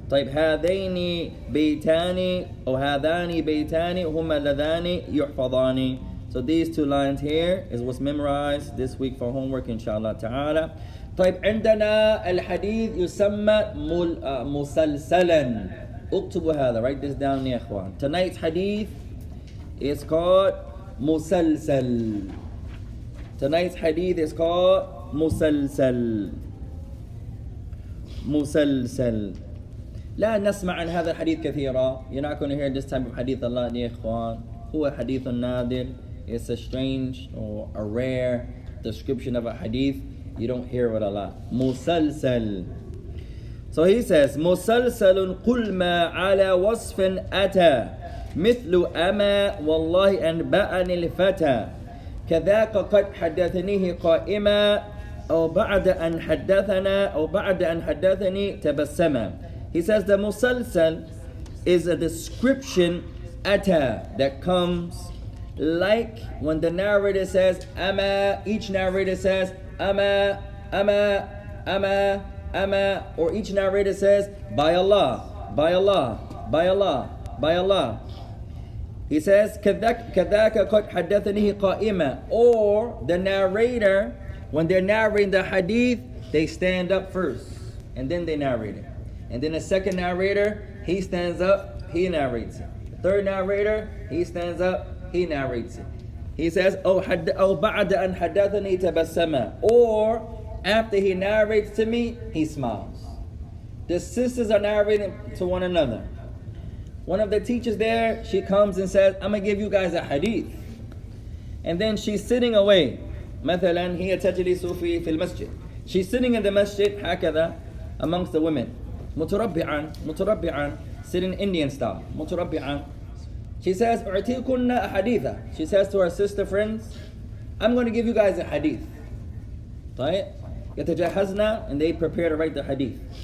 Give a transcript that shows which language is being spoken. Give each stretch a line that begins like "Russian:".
Arabic: طيب هذين بيتان أو هذان بيتان هما اللذان يحفظان.
English: So these two lines here is what's memorized this week for homework, inshallah ta'ala.
Arabic: طيب عندنا الحديث يسمى مسلسلا. اكتبوا هذا,
English: write this down
Arabic: يا اخوان.
English: Tonight's hadith is called مسلسل. Tonight's hadith is called مسلسل. مسلسل.
Arabic: لا نسمع عن هذا الحديث كثيرا.
English: You're not going to hear this type of hadith a lot
Arabic: يا اخوان. هو حديث نادر.
English: It's a strange or a rare description of a hadith. You don't hear it a lot. مسلسل. So he says,
Arabic: مسلسل قل ما على وصف أتى مثل أما والله أنبأني الفتى كذاك قد حدثنيه قائما أو بعد أن حدثنا أو بعد أن حدثني تبسما.
English: He says the مسلسل is a description
Arabic: أتى
English: that comes like when the narrator says أما, each narrator says
Arabic: أما أما أما
English: Amma, or each narrator says, by Allah, by Allah, by Allah, by Allah. He says,
Arabic: كَذَاكَ قَدْ حَدَّثَنِهِ قَائِمًا.
English: Or the narrator, when they're narrating the hadith, they stand up first, and then they narrate it. And then the second narrator, he stands up, he narrates it. The third narrator, he stands up, he narrates it. He says,
Arabic: أَوْ بَعْدَ أَنْ حَدَّثَنِي تَبَسَّمًا.
English: Or after he narrates to me, he smiles. The sisters are narrating to one another. One of the teachers there, she comes and says, I'm gonna give you guys a hadith. And then she's sitting away.
Arabic: مثلاً هي تجلي صوفي في المسجد.
English: She's sitting in the masjid,
Arabic: هكذا,
English: amongst the women.
Arabic: متربعاً, متربعاً,
English: sitting Indian style.
Arabic: متربعاً.
English: She says,
Arabic: أعطيكن حديثا.
English: She says to her sister friends, I'm gonna give you guys a hadith.
Arabic: طيب. يتجهزنا,
English: and they prepare to write the hadith.